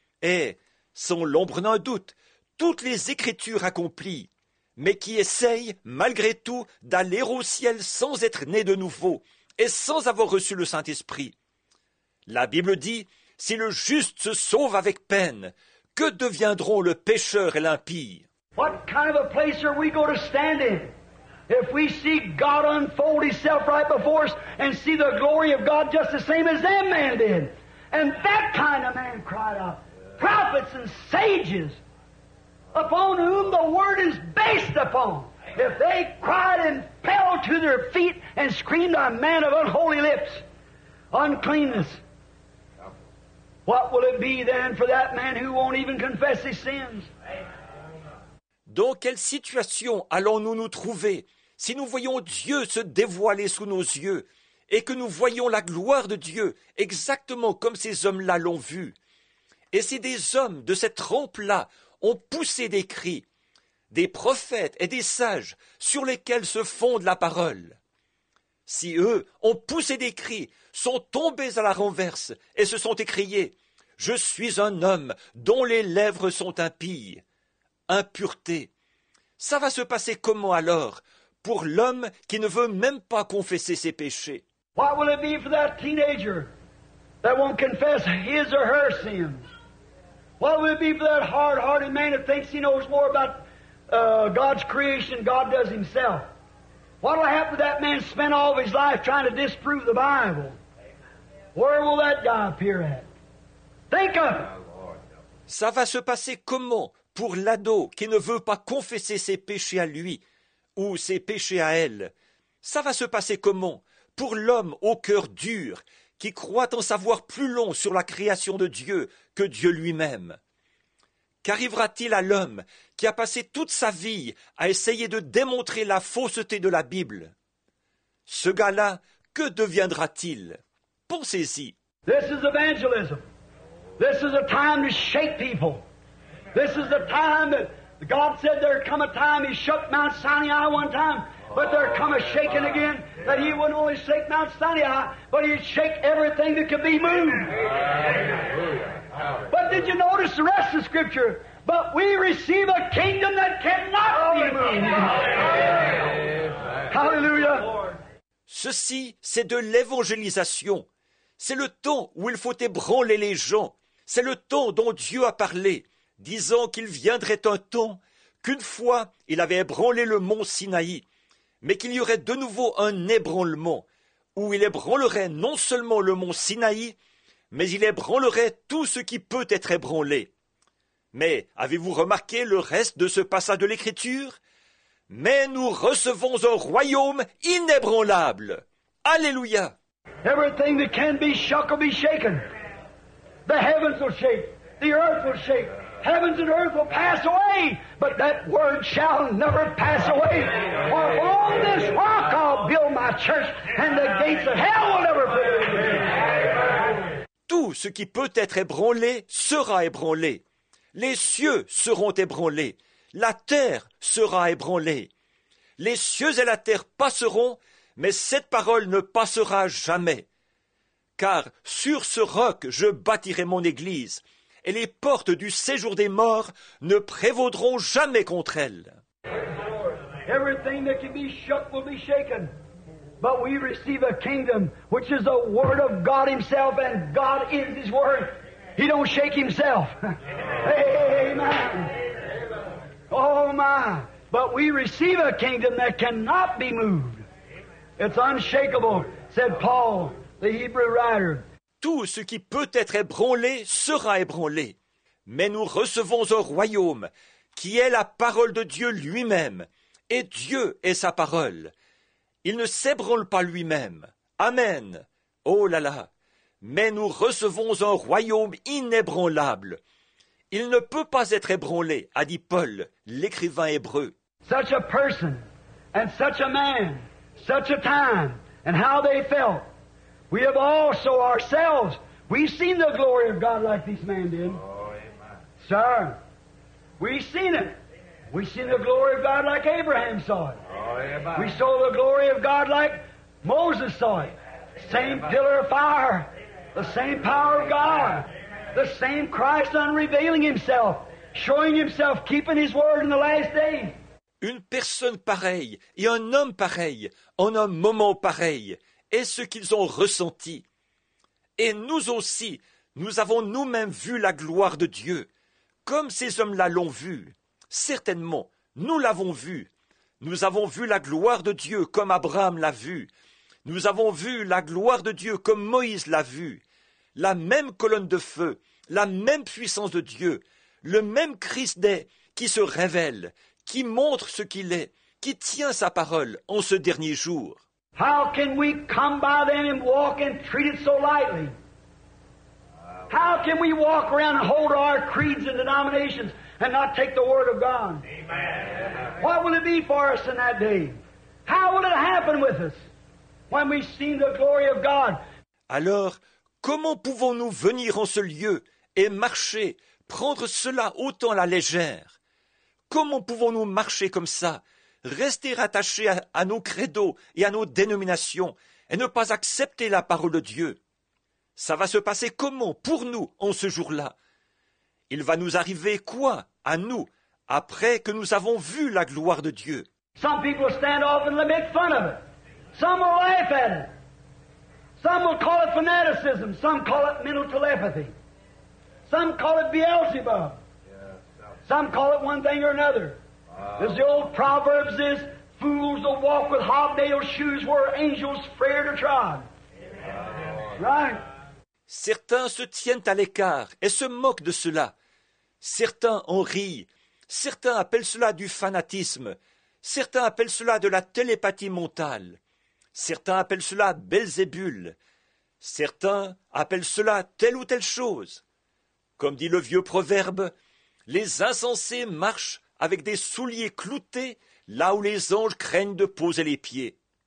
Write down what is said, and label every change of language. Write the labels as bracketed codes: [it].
[fr] Et, sans l'ombre d'un doute, toutes les Écritures accomplies, mais qui essayent, malgré tout, d'aller au ciel sans être nés de nouveau et sans avoir reçu le Saint-Esprit. La Bible dit, si le juste se sauve avec peine, que deviendront le pécheur et l'impie? [en] What kind of a place are we going to stand in? If we see God unfold Himself right before us and see the glory of God just the same as that man did. And that kind of man cried out, prophets and sages, upon whom the word is based upon. If they cried and fell to their feet and screamed, a man of unholy lips, uncleanness, what will it be then for that man who won't even confess his sins? [fr] Dans quelle situation allons-nous nous trouver si nous voyons Dieu se dévoiler sous nos yeux et que nous voyons la gloire de Dieu exactement comme ces hommes-là l'ont vu? Et si des hommes de cette trempe-là ont poussé des cris, des prophètes et des sages sur lesquels se fonde la parole? Si eux ont poussé des cris, sont tombés à la renverse et se sont écriés, « Je suis un homme dont les lèvres sont impies. » Impureté. Ça va se passer comment alors pour l'homme qui ne veut même pas confesser ses péchés? [en] What will it be for that teenager that won't confess his or her sins? What will it be for that hard-hearted man that thinks he knows more about God's creation than God does himself? What will happen to that man spent all of his life trying to disprove the Bible? Where will that guy appear at? Think of it. [fr] Ça va se passer comment pour l'ado qui ne veut pas confesser ses péchés à lui ou ses péchés à elle? Ça va se passer comment pour l'homme au cœur dur qui croit en savoir plus long sur la création de Dieu que Dieu lui-même? Qu'arrivera-t-il à l'homme qui a passé toute sa vie à essayer de démontrer la fausseté de la Bible? Ce gars-là, que deviendra-t-il? Pensez-y. [en] This is evangelism. This is a time to shake people. This is the time that God said there come a time He shook Mount Sinai one time, but there come a shaking again, that He wouldn't only shake Mount Sinai, but He'd shake everything that could be moved. But did you notice the rest of Scripture? But we receive a kingdom that cannot be moved. Hallelujah. [fr] Ceci, c'est de l'évangélisation. C'est le temps où il faut ébranler les gens. C'est le temps dont Dieu a parlé, disant qu'il viendrait un temps qu'une fois il avait ébranlé le mont Sinaï, mais qu'il y aurait de nouveau un ébranlement où il ébranlerait non seulement le mont Sinaï, mais il ébranlerait tout ce qui peut être ébranlé. Mais avez-vous remarqué le reste de ce passage de l'Écriture ? Mais nous recevons un royaume inébranlable. Alléluia ! [en] Everything that can be shook will be shaken. The heavens will shake. The earth will shake. Heavens and earth will pass away. But that word shall never pass away. For on this rock I'll build my church, and the gates of hell will never fail. [fr] Tout ce qui peut être ébranlé sera ébranlé. Les cieux seront ébranlés. La terre sera ébranlée. Les cieux et la terre passeront, mais cette parole ne passera jamais. Car sur ce roc je bâtirai mon église, et les portes du séjour des morts ne prévaudront jamais contre elle. [en] Everything that can be shook will be shaken. But we receive a kingdom which is the word of God himself, and God is his word. He don't shake himself. Amen. Oh my. But we receive a kingdom that cannot be moved. It's unshakable, said Paul, the Hebrew writer. [fr] Tout ce qui peut être ébranlé sera ébranlé. Mais nous recevons un royaume qui est la parole de Dieu lui-même, et Dieu est sa parole. Il ne s'ébranle pas lui-même. Amen. Oh là là. Mais nous recevons un royaume inébranlable. Il ne peut pas être ébranlé, a dit Paul, l'écrivain hébreu. [en] Such a person, and such a man, such a time, and how they felt. We have also ourselves, we've seen the glory of God like this man did. Oh, amen. Sir, we've seen it. We've seen the glory of God like Abraham saw it. Oh, amen. We saw the glory of God like Moses saw it. Same pillar of fire, the same power of God, the same Christ unrevealing himself, showing himself, keeping his word in the last days. [fr] Une personne pareille et un homme pareil, en un moment pareil, est ce qu'ils ont ressenti. Et nous aussi, nous avons nous-mêmes vu la gloire de Dieu, comme ces hommes-là l'ont vu. Certainement, nous l'avons vu. Nous avons vu la gloire de Dieu comme Abraham l'a vu. Nous avons vu la gloire de Dieu comme Moïse l'a vu. La même colonne de feu, la même puissance de Dieu, le même Christ est qui se révèle, qui montre ce qu'il est, qui tient sa parole en ce dernier jour. [en] How can we come by them and walk and treat it so lightly? How can we walk around and hold our creeds and denominations and not take the word of God? Amen. What will it be for us in that day? How will it happen with us? When we see the glory of God. [fr] Alors, comment pouvons-nous venir en ce lieu et marcher, prendre cela autant à la légère? Comment pouvons-nous marcher comme ça, rester attachés à nos credos et à nos dénominations et ne pas accepter la parole de Dieu? Ça va se passer comment pour nous en ce jour-là? Il va nous arriver quoi à nous après que nous avons vu la gloire de Dieu? [en] Some people stand off and make fun of it. Some will laugh at it. Some will call it fanaticism. Some call it mental telepathy. Some call it Beelzebub. Some call it one thing or another. As the old proverbs is, fools will walk with hobnailed shoes where angels fear to trod. Right? [fr] Certains se tiennent à l'écart et se moquent de cela. Certains en rient. Certains appellent cela du fanatisme. Certains appellent cela de la télépathie mentale. Certains appellent cela Belzébul. Certains appellent cela telle ou telle chose. Comme dit le vieux proverbe, les insensés marchent avec des souliers cloutés là où les anges craignent de poser les pieds.